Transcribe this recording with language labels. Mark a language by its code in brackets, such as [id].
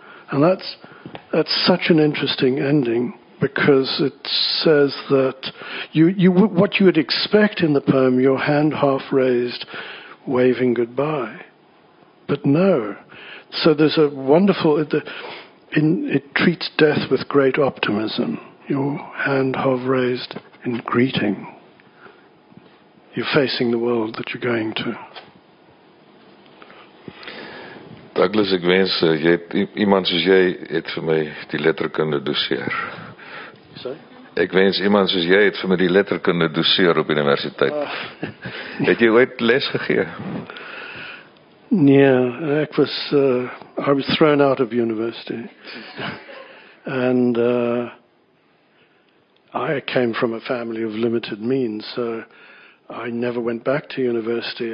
[en] And that's such an interesting ending, because it says that what you would expect in the poem, your hand half raised, waving goodbye. But no. So there's a wonderful, it treats death with great optimism. Your hand half raised in greeting. You're facing the world that you're going to. [af] Douglas, ek wens, iemand soos jy het vir my die letterkunde doseer. Ek wens iemand soos jy het vir my die letterkunde doseer op universiteit. Het jy ooit les gegee? Nee, ek was, [en] I was thrown out of university. And I came from a family of limited means, so I never went back to university.